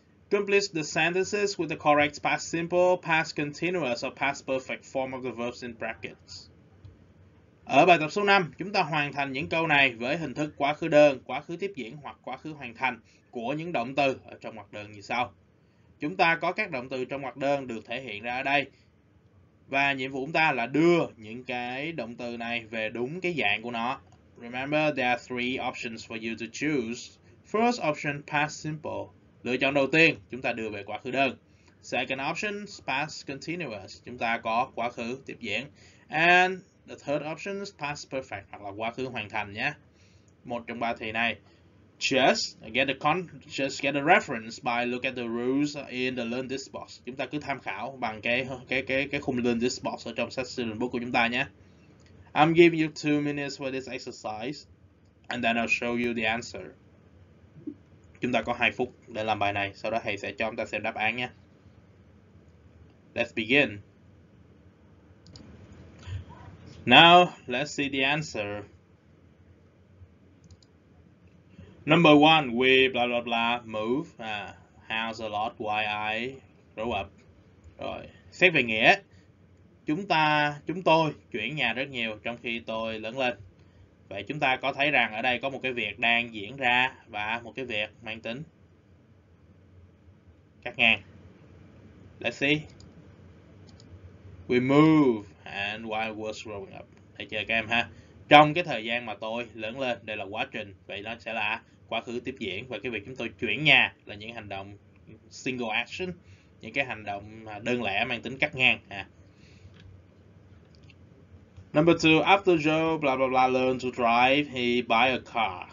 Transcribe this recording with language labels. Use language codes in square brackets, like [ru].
[en] Complete the sentences with the correct past simple, past continuous or past perfect form of the verbs in brackets. [vi] Ở bài tập số 5, chúng ta hoàn thành những câu này với hình thức quá khứ đơn, quá khứ tiếp diễn hoặc quá khứ hoàn thành của những động từ ở trong hoạt đơn như sau. Chúng ta có các động từ trong hoạt đơn được thể hiện ra ở đây. Và nhiệm vụ chúng ta là đưa những cái động từ này về đúng cái dạng của nó. [en] Remember, there are three options for you to choose. First option, past simple. [vi] Lựa chọn đầu tiên, chúng ta đưa về quá khứ đơn. [en] Second option, past continuous. [vi] Chúng ta có quá khứ tiếp diễn. [en] And the third option, past perfect, [vi] hoặc là quá khứ hoàn thành nhé. Một trong ba thì này. [en] Just get a reference by look at the rules in the Learn This box. [vi] Chúng ta cứ tham khảo bằng cái khung Learn This box ở trong session book của chúng ta nhé. [en] I'm giving you 2 minutes for this exercise and then I'll show you the answer. [vi] Chúng ta có 2 phút để làm bài này, sau đó thầy sẽ cho chúng ta xem đáp án nhé. [en] Let's begin. Now, let's see the answer. Number one, we blah blah blah move house a lot while I grow up. [vi] Rồi, xét về nghĩa, chúng tôi chuyển nhà rất nhiều trong khi tôi lớn lên. Vậy chúng ta có thấy rằng ở đây có một cái việc đang diễn ra và một cái việc mang tính cắt ngang. [en] Let's see. We move and while I was growing up. [vi] Thầy chờ các em ha. Trong cái thời gian mà tôi lớn lên, đây là quá trình, vậy nó sẽ là quá khứ tiếp diễn, và cái việc chúng tôi chuyển nhà là những hành động single action, những cái hành động đơn lẻ mang tính cắt ngang. [en] Number 2, after Joe blah blah blah learned to drive, he buy a car.